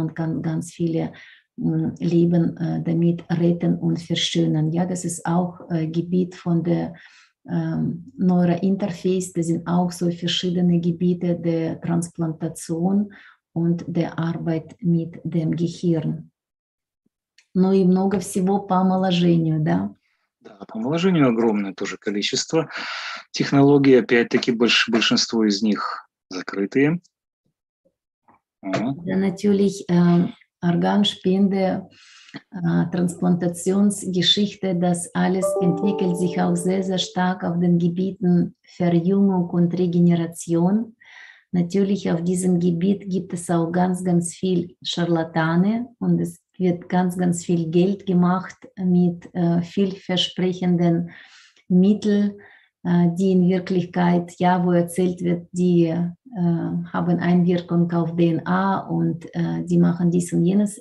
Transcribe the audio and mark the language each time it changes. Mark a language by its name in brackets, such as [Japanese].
[German] Man kann ganz viele Leben damit retten und verschönern. Ja, das ist auch Gebiet von der Neurointerface. Das sind auch so verschiedene Gebiete der Transplantation und der Arbeit mit dem Gehirn. [Russian] Ну и много всего по омоложению, да? Да, по омоложению огромное тоже количество технологий, опять-таки большинство из них закрытые. Да, [German] natürlich Organspende, Transplantationsgeschichte, das alles entwickelt sich auch sehr, sehr stark auf den Gebieten Verjüngung und Regeneration. Natürlich auf diesem Gebiet gibt es auch ganz, ganz viel Scharlatane und es wird ganz, ganz viel Geld gemacht mit vielversprechenden Mitteln, die in Wirklichkeit, ja, wo erzählt wird, die haben Einwirkung auf DNA und die machen dies und jenes.